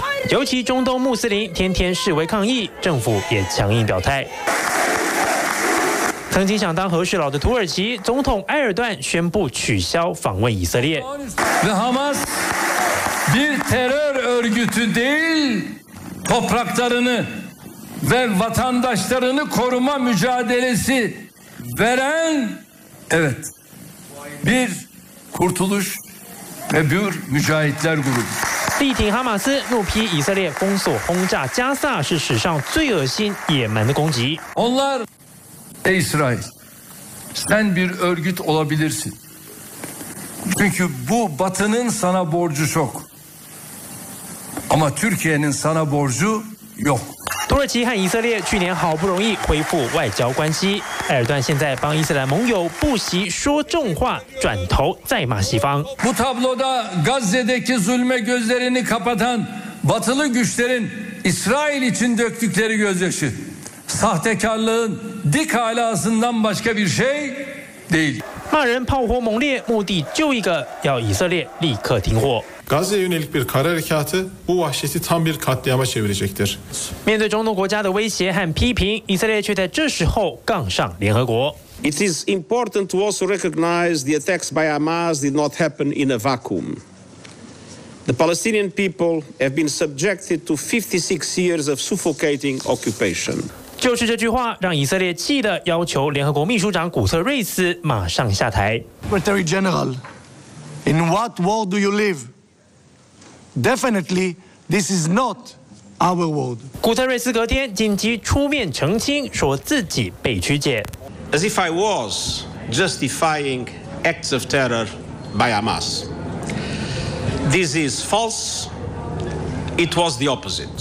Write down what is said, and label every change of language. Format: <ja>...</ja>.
<zh>尤其中东穆斯林天天示威抗议，政府也强硬表态。曾经想当和事佬的土耳其总统埃尔段宣布取消访问以色列。</zh> <tr>The Hamas, bir terör örgütü değil. Topraklarını ve vatandaşlarını koruma mücadelesi veren, evet, bir kurtuluş ve bir mücahitler grubu.</tr> <zh>力挺哈马斯，怒批以色列封锁轰炸加萨是史上最恶心野蛮的攻击。</zh> <tr>Onlar, ey İsrail, sen bir örgüt olabilirsin. Çünkü bu batının sana borcu çok. Ama Türkiye'nin sana borcu yok.</tr> <zh>土耳其和以色列去年好不容易恢复外交关系，埃尔段现在帮伊斯兰盟友不惜说重话，转头再骂西方。</zh> <tr>Bu tabloda Gazze'deki zulme gözlerini kapatan batılı güçlerin İsrail için döktükleri gözyaşı, sahtekarlığın dik alasından başka bir şey değil.</tr> <zh>骂人炮火猛烈，目的就一个，要以色列立刻停火。</zh> <tr>Gazze'ye yönelik bir kara harekatı bu vahşeti tam bir katliama çevirecektir.</tr> <zh>面对中东国家的威胁和批评，以色列却在这时候杠上联合国。</zh> <en>It is important to also recognize the attacks by Hamas did not happen in a vacuum. The Palestinian people have been subjected to 56 years of suffocating occupation.</en> <zh>就是这句话让以色列气得要求联合国秘书长古特瑞斯马上下台。</zh> <en>Secretary General, in what world do you live? Definitely, this is not our world.</en> <zh>古特瑞斯隔天紧急出面澄清，说自己被曲解。</zh> <en>As if I was justifying acts of terror by Hamas. This is false. It was the opposite.</en>